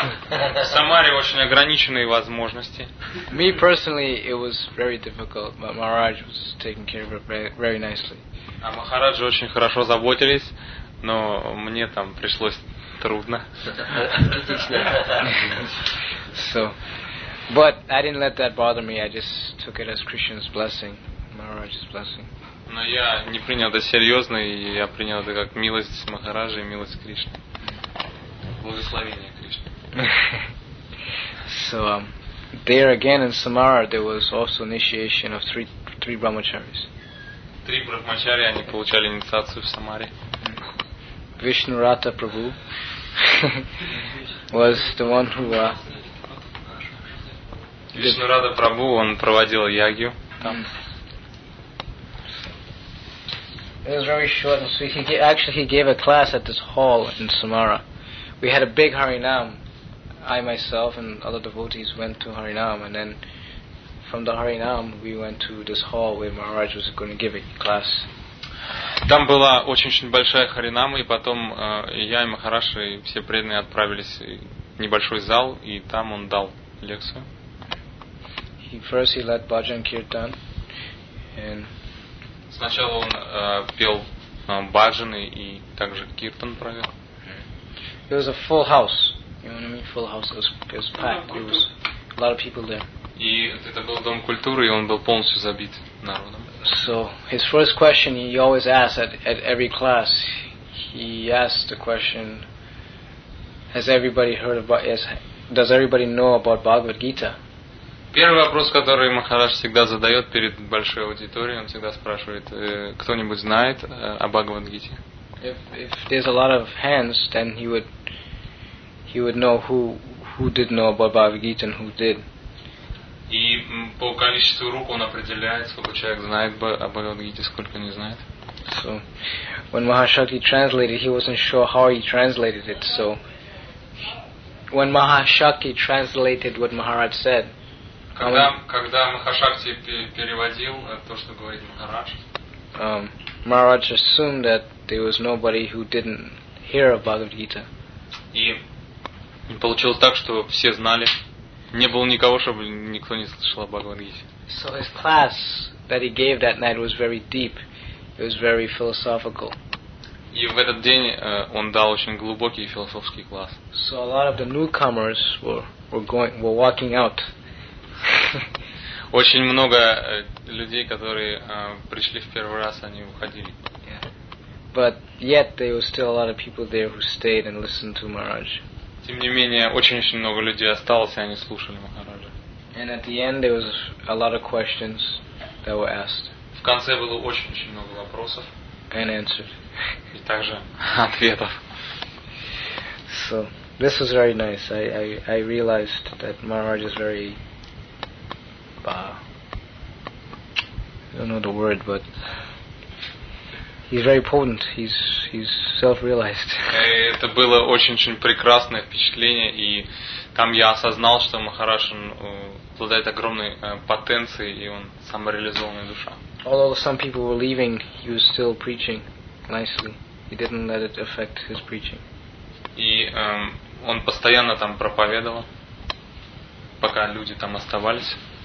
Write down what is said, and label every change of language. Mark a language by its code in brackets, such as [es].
[ru] В Самаре очень ограниченные возможности. [en] Me personally, it was very difficult, but Maharaj was taking care of it very nicely. [ru] А Махараджи очень хорошо заботились, но мне там пришлось трудно. [en] So, but I didn't let that bother me. I just took it as Krishna's blessing, Maharaj's blessing. [ru] Но я не принял это серьезно, и я принял это как милость Махараджи и милость Кришны. Благословение Кришны. [en] So, there again in Samara, there was also initiation of three brahmacharis. [ru] Три брахмачари, они получали инициацию в Самаре. [en] Vishnurata Prabhu was the one who... [ru] Vishnurata Prabhu, он проводил ягью там. [en] It was very short and sweet. He gave a class at this hall in Samara. We had a big Harinam. I myself and other devotees went to Harinam, and then from the Harinam we went to this hall where Maharaj was going to give a class. [ru] Там была очень-очень большая Харинама, и потом я и Махараш и все преданные отправились в небольшой зал, и там он дал лекцию. [en] First he led bhajan kirtan, and [ru] сначала он пел баджаны и также киртан провел. [en] It was a full house. You know what I mean? Full house. It was packed. There was a lot of people there. [ru] И это был дом культуры, и он был полностью забит народом. [en] So his first question he always asked at every class. He asked the question: Has everybody heard about? Does everybody know about Bhagavad Gita? [ru] Первый вопрос, который Махарадж всегда задает перед большой аудиторией, он всегда спрашивает, кто-нибудь знает о Бхагавад-гите? [en] If there's a lot of hands, then he would know who did know about Bhagavad-gita and who did. [ru] И по количеству рук он определяет, сколько человек знает о Бхагавад-гите, сколько не знает. [en] So, when Mahashakti translated, he wasn't sure how he translated it. So, when Mahashakti translated what Maharaj said, [ru] Когда Махашакти переводил то, что говорит Махарадж, [en] Maharaj assumed that there was nobody who didn't hear of Bhagavad Gita. [ru] И получилось так, что все знали. Не было никого, чтобы никто не слышал о Бхагавад Гите. [en] So his class that he gave that night was very deep. It was very philosophical. [ru] И в этот день он дал очень глубокий философский класс. [en] So a lot of the newcomers were walking out. [ru] Очень много людей, которые пришли в первый раз, они уходили. [en] But yet there were still a lot of people there who stayed and listened to Maharaj. [ru] Тем не менее, очень-очень много людей осталось, и они слушали Махараджа. [en] And at the end there was a lot of questions that were asked. [ru] В конце было очень-очень много вопросов. [en] And answered. [ru] И также ответов. [en] So this was very nice. I realized that Maharaj is very I don't know the word, but he's very potent. He's self-realized. [ru] Это было очень-очень прекрасное впечатление, и там я осознал, что Махарадж обладает огромной потенцией, и он самореализованная душа. [en] Although some people were leaving, he was still preaching nicely. He didn't let it affect his preaching. [ru] И он постоянно там проповедовал, пока люди там оставались.